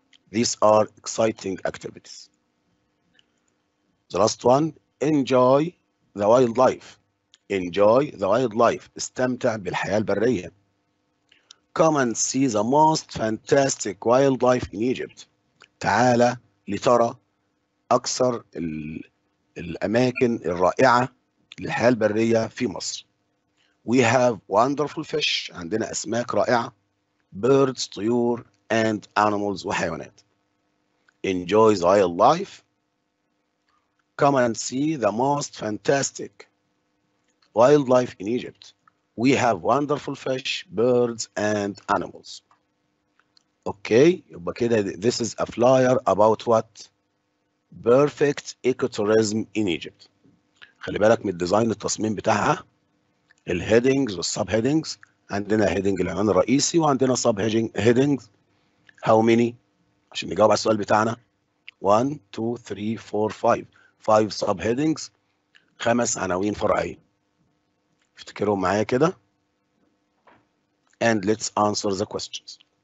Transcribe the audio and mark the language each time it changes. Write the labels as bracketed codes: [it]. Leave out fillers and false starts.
[en] These are exciting activities. The last one, enjoy the wildlife. Enjoy the wildlife. [ar] استمتع بالحياة البرية. [en] Come and see the most fantastic wildlife in Egypt. [ar] تعال لترى أكثر الأماكن الرائعة للحياة البرية في مصر. [en] We have wonderful fish، [ar] عندنا أسماك رائعة، [en] birds [ar] طيور، [en] and animals [ar] وحيوانات. [en] enjoys wildlife, come and see the most fantastic wildlife in Egypt. We have wonderful fish, birds, and animals. Okay, this is a flyer about what? Perfect ecotourism in Egypt. [ar] خلي بالك من الديزاين التصميم بتاعها الهيدنجز والسب هيدنجز عندنا هيدنج العنوان الرئيسي وعندنا سب هيدنجز [en] how many [ar] عشان نجاوب على السؤال بتاعنا 1 2 3 4 5 5 سب هيدنجز خمس عناوين فرعيه افتكروا معايا كده [en] and let's answer the questions